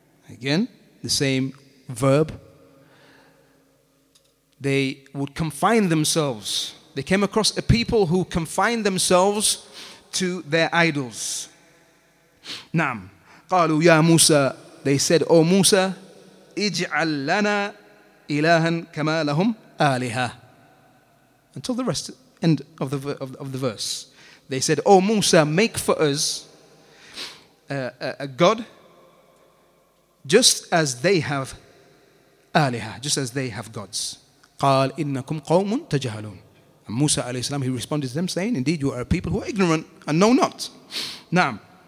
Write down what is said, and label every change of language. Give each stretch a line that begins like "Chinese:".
English: Again, the same verb. They would confine themselves. They came across a people who confined themselves to their idols. Naam.
Arabic: قالوا يا موسى
English: they said, O Musa,
Arabic: اجعل لنا إلها كما لهم آلهة.
English: Until the rest, end of the verse. They said, O Musa, make for us a God just as they have آلهة, just as they have gods.
Arabic: قال إنكم قوم تجهلون.
English: And Musa alayhi salam, he responded to them saying, indeed you are a people who are ignorant and know not. Naam.